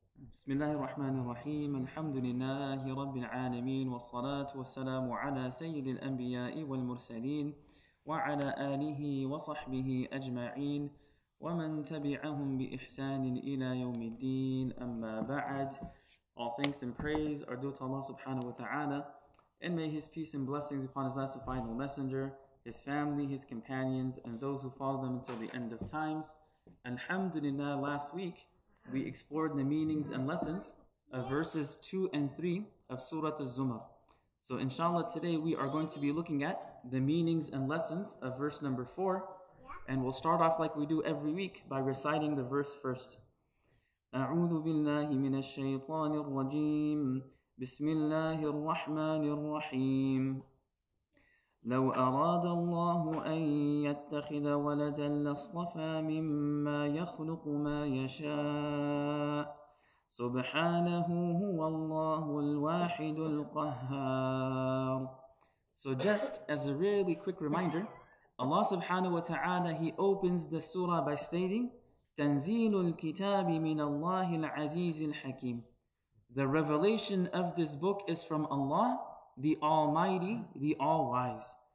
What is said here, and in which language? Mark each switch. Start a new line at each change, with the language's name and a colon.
Arabic: بسم الله الرحمن الرحيم. الحمد لله رب العالمين والصلاة والسلام على سيد الأنبياء والمرسلين وعلى آله وصحبه أجمعين ومن تبعهم بإحسان إلى يوم الدين. أما بعد,
English: all thanks and praise are due to Allah subhanahu wa ta'ala, and may His peace and blessings upon His last and final messenger, His family, His companions, and those who follow them until the end of times. Alhamdulillah, last week we explored the meanings and lessons of verses 2 and 3 of Surah Zumar. So inshallah, today we are going to be looking at the meanings and lessons of verse number 4, and we'll start off like we do every week by reciting the verse first.
Arabic: A'udhu billahi minash shaytanir rajim. Bismillahir rahmanir rahim. لو أراد الله أن يتخذ ولدا لاصطفى مما يخلق ما يشاء سبحانه هو الله الواحد القهار.
English: So just as a really quick reminder, Allah subhanahu wa ta'ala, He opens the surah by stating,
Arabic: تنزيل الكتاب من الله العزيز الحكيم.
English: The revelation of this book is from Allah, the Almighty, the All-Wise.